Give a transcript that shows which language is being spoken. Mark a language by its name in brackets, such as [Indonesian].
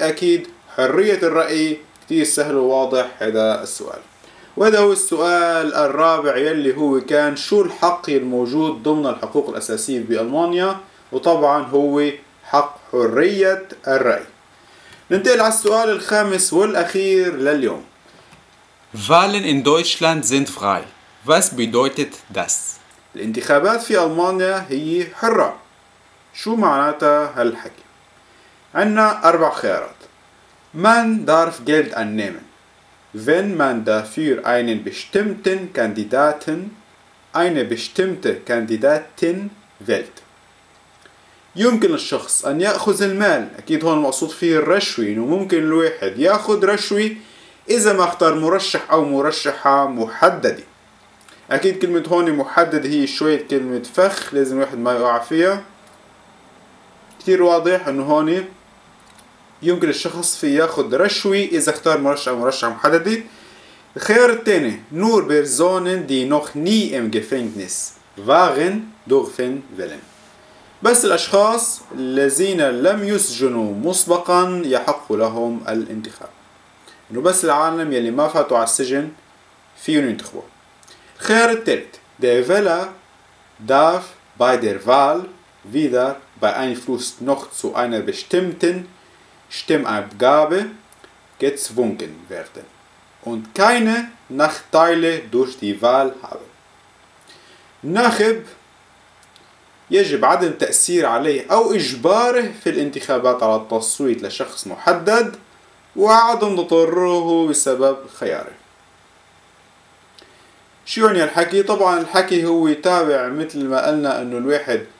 [Arabic] أكيد حرية الرأي كتير سهل وواضح هذا السؤال. وهذا هو السؤال الرابع يلي هو كان شو الحق الموجود ضمن الحقوق الأساسية بألمانيا، وطبعا هو حق حرية الرأي. ننتقل على السؤال الخامس والأخير لليوم. [German] Wahlen in Deutschland sind frei. Was bedeutet das? [Arabic] الانتخابات في ألمانيا هي حرة. شو معناتها هالحكي؟ عندنا أربع خيارات. [German] Man darf Geld annehmen. Wenn man dafür einen bestimmten Kandidaten, eine bestimmte Kandidatin wählt. [Arabic] يمكن الشخص أن يأخذ المال. أكيد هون المقصود فيه الرشوة، إنه ممكن الواحد يأخذ رشوة إذا ما اختار مرشح أو مرشحة محددة. أكيد كلمة هون محدد هي شوية كلمة فخ، لازم الواحد ما يقع فيها. كتير واضح إنه هون يمكن الشخص فيه يأخذ رشوة إذا اختار مرشح أو مرشحة محددة. الخيار الثاني [German] نور بيرزونن دي نوخ ني إم جيفينجنس واغن دورفن فيلن. [Arabic] بس الأشخاص الذين لم يسجنوا مسبقا يحق لهم الانتخاب. إنه بس العالم يلي ما فاتوا على السجن فيهم ينتخبوا. الخيار الثالث [German] Der Wähler darf bei der Wahl wieder beeinflusst noch zu einer bestimmten Stimmabgabe gezwungen werden und keine Nachteile durch die Wahl haben. [Arabic] ناخب يجب عدم تأثير عليه أو إجباره في الانتخابات على التصويت لشخص محدد، وعدم تضرره بسبب خياره. شو يعني الحكي؟ طبعا الحكي هو تابع مثل ما قلنا أنه الواحد